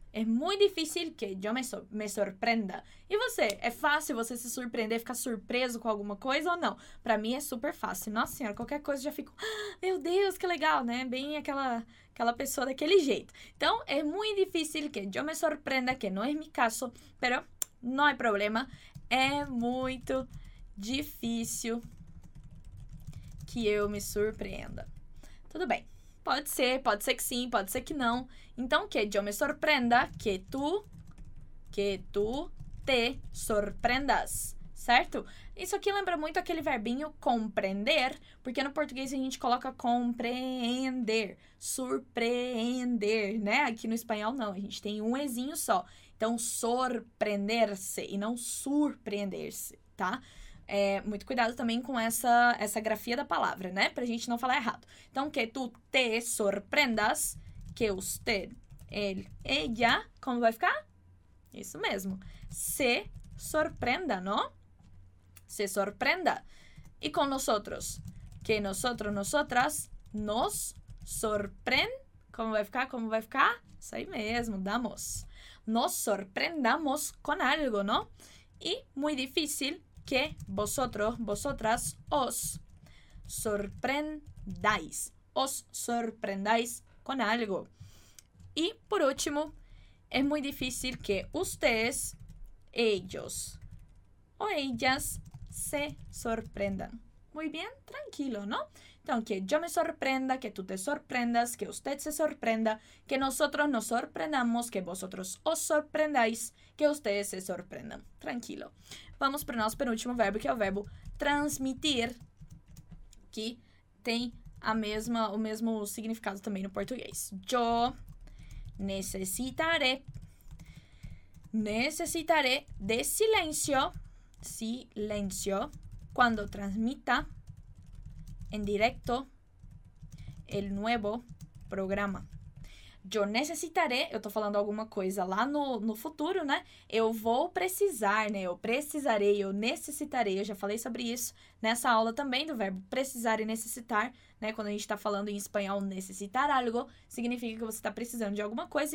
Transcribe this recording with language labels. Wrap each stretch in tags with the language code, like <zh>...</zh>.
<es>Es muy difícil que yo me sorprenda.</es> <pt>E você? É fácil você se surpreender, ficar surpreso com alguma coisa ou não? Pra mim é super fácil. Nossa senhora, qualquer coisa já fico... Meu Deus, que legal, né? Bem aquela pessoa daquele jeito.</pt> <es>Então, es muy difícil que yo me sorprenda, que no es mi caso, pero no hay problema.</es> <pt>É muito difícil que eu me surpreenda. Tudo bem. Pode ser que sim, pode ser que não. Então,</pt> <es>que yo me sorprenda, que tu te sorprendas,</es> <pt>certo? Isso aqui lembra muito aquele verbinho compreender, porque no português a gente coloca compreender, surpreender, né? Aqui no espanhol não, a gente tem um ezinho só. Então, sorprender-se e não surpreender-se, tá? É, muito cuidado também com essa grafia da palavra, né? Pra gente não falar errado. Então,</pt> <es>que tu te sorprendas, que usted, él, ella,</es> <pt>como vai ficar? Isso mesmo.</pt> <es>Se sorprenda, não? Se sorprenda.</es> <pt>E com nosotros?</pt> <es>Que nosotros, nosotras, nos sorprend...</es> <pt>Como vai ficar? Como vai ficar? Isso aí mesmo, damos.</pt> <es>Nos sorprendamos con algo, não?</es> <pt>E, muito difícil,</pt> <es>que vosotros, vosotras, os sorprendáis. Os sorprendáis con algo.</es> <pt>E, por último, é muito difícil que ustedes, ellos ou ellas</pt> <es>se sorprendan. Muy bien, tranquilo, ¿no? Então, que yo me sorprenda, que tú te sorprendas, que usted se sorprenda, que nosotros nos sorprendamos, que vosotros os sorprendáis, que ustedes se sorprendan. Tranquilo.</es> <pt>Vamos para o nosso penúltimo verbo, que é o verbo transmitir, que tem o mesmo significado também no português.</pt> <es>Yo necesitaré de silencio, silencio, cuando transmita en directo el nuevo programa. Yo necesitaré,</es> <pt>eu tô falando alguma coisa lá no futuro, né? Eu vou precisar, né? Eu precisarei, eu necessitarei. Eu já falei sobre isso nessa aula também, do verbo precisar e necessitar, né? Quando a gente tá falando em espanhol, necessitar algo, significa que você tá precisando de alguma coisa.</pt>